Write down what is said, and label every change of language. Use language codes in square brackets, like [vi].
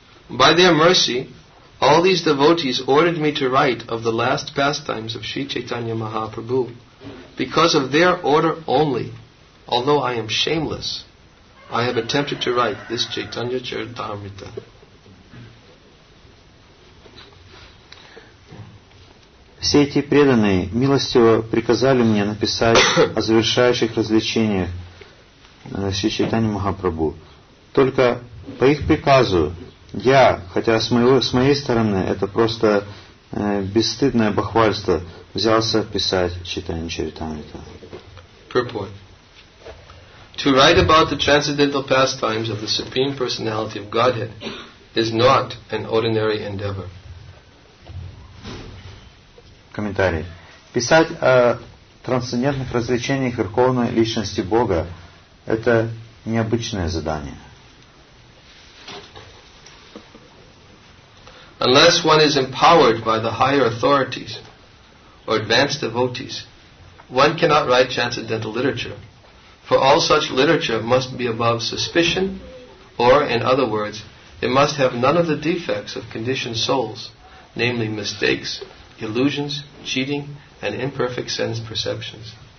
[en] By their mercy, all these devotees ordered me to write of the last pastimes of Sri Chaitanya Mahaprabhu. Because of their order only, although I am shameless, I have attempted to write this Chaitanya Charitamrita. [ru] Все эти преданные милостиво приказали мне написать о завершающих развлечениях Шри Чайтанья Махапрабху. Только по их приказу я, хотя с моей стороны это просто бесстыдное бахвальство, взялся писать Чайтанья Чаритамрита. [en] Purport. To write about the transcendental pastimes of the Supreme Personality of Godhead is not an ordinary endeavor. [ru] Комментарий. Писать о трансцендентных развлечениях Верховной Личности Бога – это необычное задание. [en] Unless one is empowered by the higher authorities or advanced devotees, one cannot write transcendental literature, for all such literature must be above suspicion, or, in other words, it must have none of the defects of conditioned souls, namely mistakes, illusions, cheating, and imperfect sense perceptions.